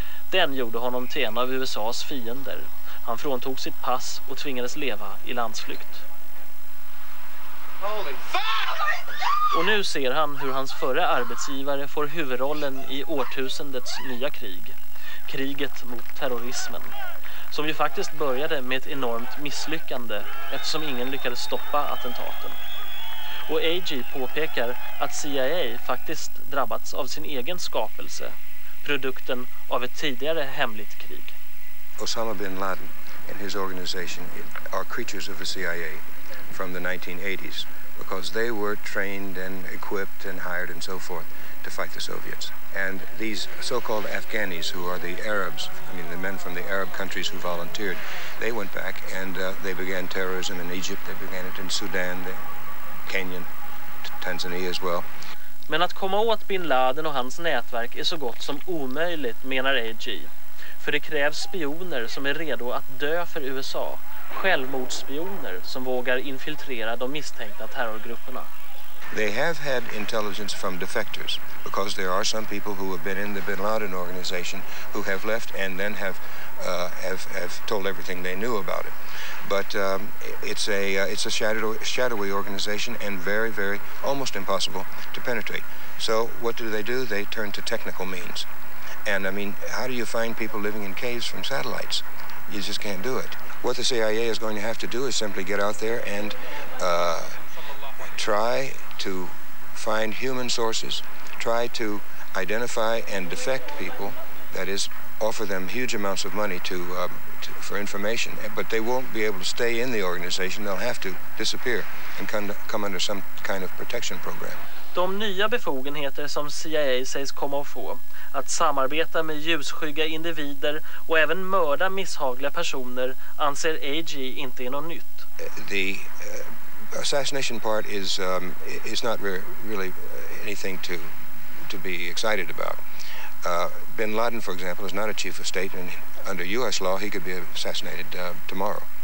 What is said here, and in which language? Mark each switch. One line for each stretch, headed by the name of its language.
Swedish: Den gjorde honom till en av USA:s fiender. Han fråntog sitt pass och tvingades leva i landsflykt.
English: Holy fuck!
Swedish: Och nu ser han hur hans förre arbetsgivare får huvudrollen i årtusendets nya krig. Kriget mot terrorismen. som ju faktiskt började med ett enormt misslyckande eftersom ingen lyckades stoppa attentaten. Och AG påpekar att CIA faktiskt drabbats av sin egen skapelse, produkten av ett tidigare hemligt krig.
English: Osama bin Laden and his organization are creatures of the CIA from the 1980s because they were trained and equipped and hired and so forth to fight the Soviets. And these so-called Afghanis, who are the Arabs, I mean the men from the Arab countries who volunteered, they went back and they began terrorism in Egypt, they began it in Sudan, the Kenyan, Tanzania as well.
Swedish: Men att komma åt bin Laden och hans nätverk är så gott som omöjligt, menar AG. För det krävs spioner som är redo att dö för USA. Självmordsspioner som vågar infiltrera de misstänkta terrorgrupperna.
English: They have had intelligence from defectors because there are some people who have been in the bin Laden organization who have left and then have told everything they knew about it. But it's a shadowy organization and very, very almost impossible to penetrate. So what do? They turn to technical means. And I mean, how do you find people living in caves from satellites? You just can't do it. What the CIA is going to have to do is simply get out there and try to find human sources, try to identify and defect people, that is, offer them huge amounts of money for information, but they won't be able to stay in the organization. They'll have to disappear and come under some kind of protection program.
Swedish: De nya befogenheter som CIA sägs komma att få, att samarbeta med ljusskygga individer och även mörda misshagliga personer, anser AG inte är något nytt.
English: The assassination part is not really anything to be excited about. Bin Laden, for example, is not a chief of state, and under US law he could be assassinated tomorrow.